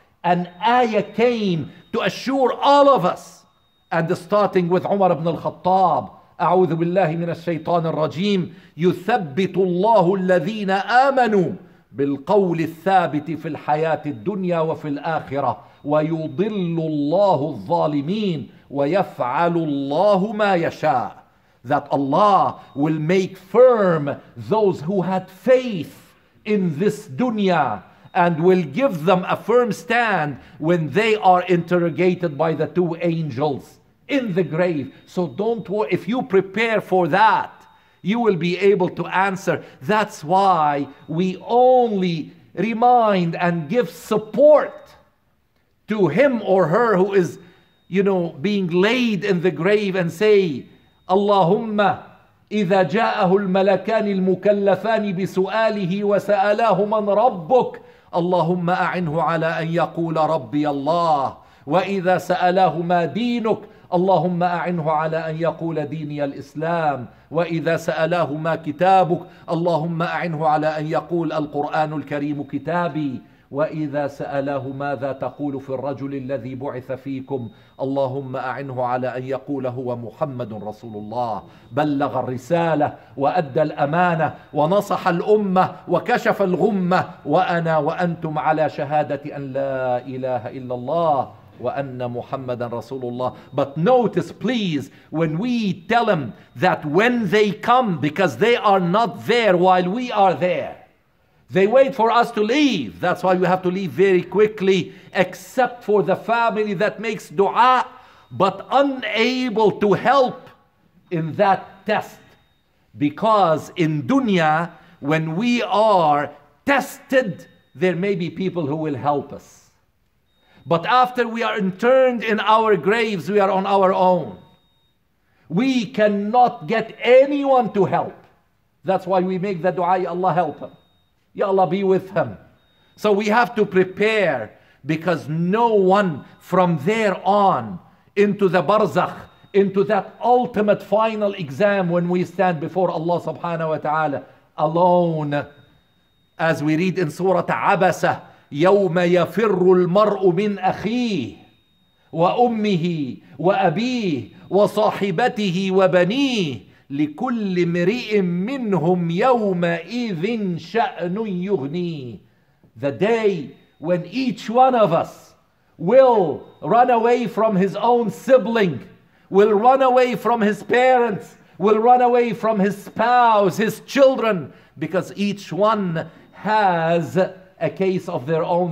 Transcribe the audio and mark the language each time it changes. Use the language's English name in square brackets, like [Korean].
[English] An ayah came to assure all of us, and starting with Umar ibn al-Khattab, [Arabic] أعوذ بالله من الشيطان الرجيم يثبت الله الذين آمنوا بالقول الثابت في الحياة الدنيا وفي الآخرة ويضل الله الظالمين ويفعل الله ما يشاء. [English] That Allah will make firm those who had faith in this dunya and will give them a firm stand when they are interrogated by the two angels in the grave. So don't worry, if you prepare for that, you will be able to answer. That's why we only remind and give support to him or her who is, you know, being laid in the grave, and say, [Arabic] اللهم إذا جاءه الملكان المكلفان بسؤاله وسأله من ربك اللهم أعنه على أن يقول ربي الله وإذا سأله ما دينك اللهم أعنه على أن يقول ديني الإسلام وإذا سأله ما كتابك اللهم أعنه على أن يقول القرآن الكريم كتابي وإذا سأله ماذا تقول في الرجل الذي بعث فيكم اللهم أعنه على أن يقول هو محمد رسول الله بلغ الرسالة وأدى الأمانة ونصح الأمة وكشف الغمة وأنا وأنتم على شهادة أن لا إله إلا الله وأن محمد رسول الله. [English] But notice please, when we tell them that when they come, because they are not there while we are there, they wait for us to leave. That's why we have to leave very quickly, except for the family that makes dua, but unable to help in that test. Because in dunya, when we are tested, there may be people who will help us. But after we are interned in our graves, we are on our own. We cannot get anyone to help. That's why we make the dua, ya Allah help him. Ya Allah be with him. So we have to prepare, because no one from there on into the barzakh, into that ultimate final exam when we stand before Allah subhanahu wa ta'ala alone. As we read in Surah Abasa, [Arabic] يَوْمَ يَفِرُّ الْمَرْءُ مِنْ أَخِيهِ وَأُمِّهِ وَأَبِيهِ وَصَاحِبَتِهِ وَبَنِيهِ لكل امرئ منهم يومئذ شأن يغني. [English] The day when each one of us will run away from his own sibling, will run away from his parents, will run away from his spouse, his children, because each one has a case of their own.